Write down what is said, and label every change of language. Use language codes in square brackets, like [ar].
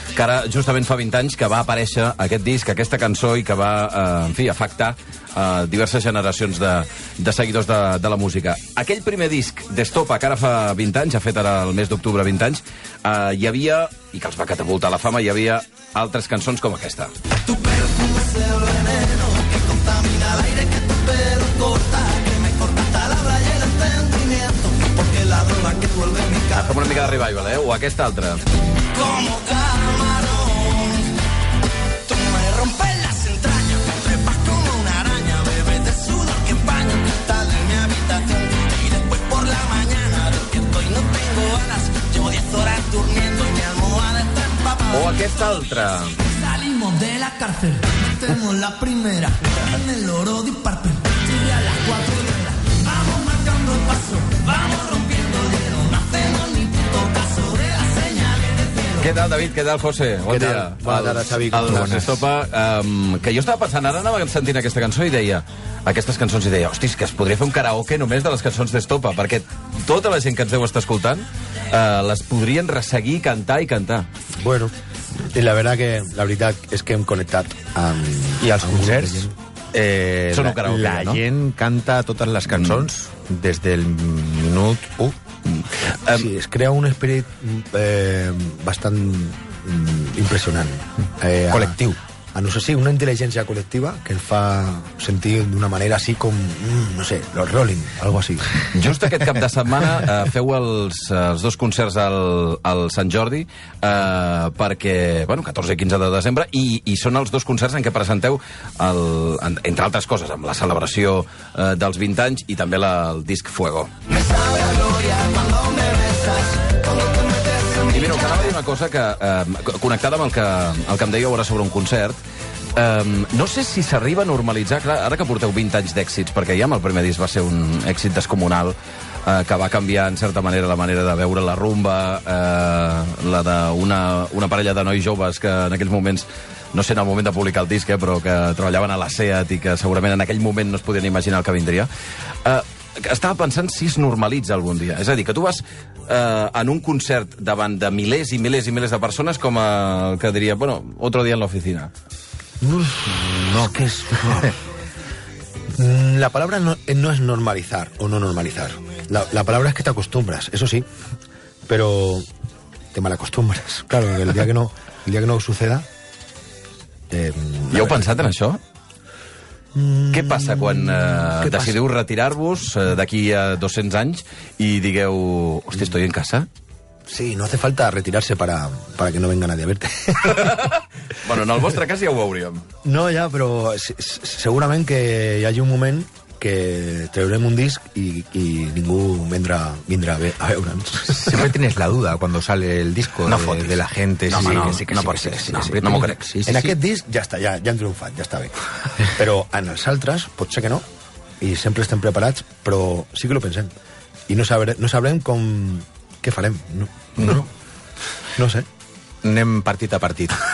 [ca] Que ara, justament fa 20 anys, que va aparèixer aquest disc, aquesta cançó, i que va, en fi, afectar diverses generacions de seguidors de la música. Aquell primer disc d'Estopa, que ara fa 20 anys, ha fet ara el mes d'octubre 20 anys, hi havia, i que els va catapultar la fama, hi havia altres cançons com aquesta. [es] Tu perfume es el veneno que contamina el aire que tu pelo corta, que me corta hasta la playa el entendimiento, porque la droga que vuelve mi cara... [ca] Fem una mica de revival, o aquesta altra. [es] Como [ca] aquesta altra. [es] Salimos de la cárcel, metemos la primera en el oro de Parpel. Llegué a las cuatro de la, vamos marcando el paso, vamos rompiendo el hielo, no hacemos ni puto caso de las señales del cielo. [ca] Què tal, David? Què tal, José? Bon dia. Bona tarda, Xavi. Estopa, que jo estava pensant, ara anava sentint aquesta cançó i deia... aquestes cançons i deia, hòstia, que es podria fer un karaoke només de les cançons d'Estopa, perquè tota la gent que ens deu estar escoltant les podrien resseguir, cantar i cantar. [es] Bueno, y la verdad que [ca] la veritat és que hem connectat amb... I els concerts? Són un karaoke, la no? La gent canta totes les cançons des del minut 1. Sí, es crea un espírit bastant impressionant. Col·lectiu. [es] A no ser si, [ca] una intel·ligència col·lectiva que el fa sentir d'una manera així com, no sé, los Rolling, [es] algo así. [ca] Just aquest cap de setmana feu els dos concerts al Sant Jordi perquè, bueno, 14 i 15 de desembre i són els dos concerts en què presenteu entre altres coses, amb la celebració dels 20 anys i també el disc Fuego. [es] Me sabe a gloria cuando me besas. [ca] I mira, encara va dir una cosa que, connectada amb el que em dèieu ara sobre un concert, no sé si s'arriba a normalitzar, clar, ara que porteu 20 anys d'èxits, perquè ja amb el primer disc va ser un èxit descomunal, que va canviar, en certa manera, la manera de veure la rumba, la d'una parella de nois joves que en aquells moments, no sé en el moment de publicar el disc, però que treballaven a la SEAT i que segurament en aquell moment no es podien imaginar el que vindria. Estava pensant si es normalitza algun dia. És a dir, que tu vas en un concert davant de milers i milers i milers de persones com el que diria, bueno, [es] otro día en la oficina. No, es que es... La palabra no es normalizar o no normalizar. La palabra es que te acostumbras, eso sí, pero te malacostumbras. Claro, el día que no suceda... [ca] ¿Ya heu pensat en això? Què passa quan decidiu retirar-vos d'aquí a 200 anys i digueu, hosti, [es] estoy en casa? Sí, no hace falta retirarse para que no venga nadie a verte. [ca] Bueno, en el vostre cas ja ho veuríem. No, ja, però segurament que hi hagi un moment que traurem un disc i ningú vindrà a veure'ns. [es] Siempre tienes la duda cuando sale el disco de la gente. [ca] No, no, no pot ser. Sí, sí, en aquest disc ja està, ja hem triomfat, ja està bé. Però en els altres pot ser que no, i sempre estem preparats, però sí que ho pensem. I no sabrem com... Què farem? No sé. Anem partit a partit.